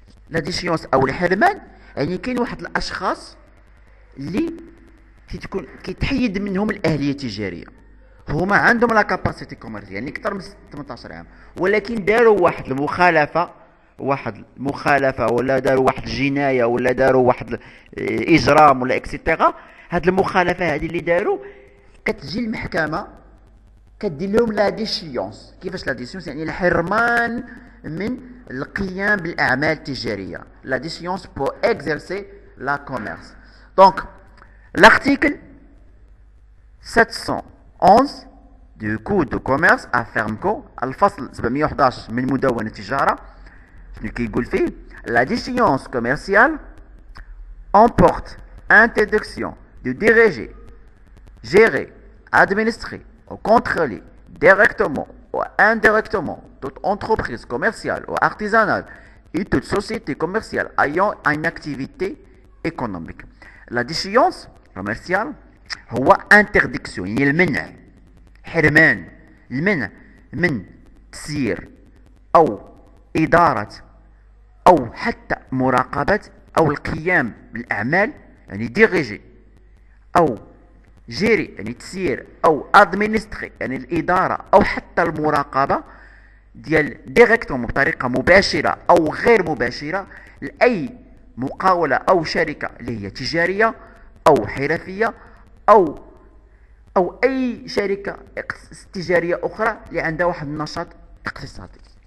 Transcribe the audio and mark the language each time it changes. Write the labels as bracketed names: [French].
[Arabic] لا ديشيونس او الحرمان يعني كاين واحد الاشخاص اللي كتكون كيتحيد منهم الاهليه التجاريه، هما عندهم لا كاباسيتي كوميرسيال يعني اكثر من 18 عام ولكن داروا واحد المخالفه، واحد المخالفه ولا داروا واحد الجنايه ولا داروا واحد اجرام ولا اكسيتيرا. هاد المخالفه هذه اللي داروا كتجي المحكمه كدير لهم لا ديشيونس. كيفاش لا ديشيونس؟ يعني الحرمان من القيام بالاعمال التجاريه، لا ديشيونس بو اكزيرسي لا كوميرس. [French] دونك l'article 711 du code de commerce à Fermco, [Arabic] الفصل 711 من مدونة التجارة، شنو كيقول فيه؟ [French] La déchéance commerciale emporte interdiction de diriger, gérer, administrer ou contrôler directement ou indirectement toute entreprise commerciale ou artisanale et toute société commerciale ayant une activité économique. [Arabic] La déchéance كوميرسيال هو انتردكسيون يعني المنع، حرمان المنع من تسيير او إدارة أو حتى مراقبة أو القيام بالأعمال، يعني ديريجي أو جيري يعني تسير، أو أدمينستري يعني الإدارة أو حتى المراقبة ديال ديريكتوم بطريقة مباشرة أو غير مباشرة لأي مقاولة أو شركة اللي هي تجارية أو حرفية أو أي شركة تجارية أخرى اللي عندها واحد النشاط اقتصادي.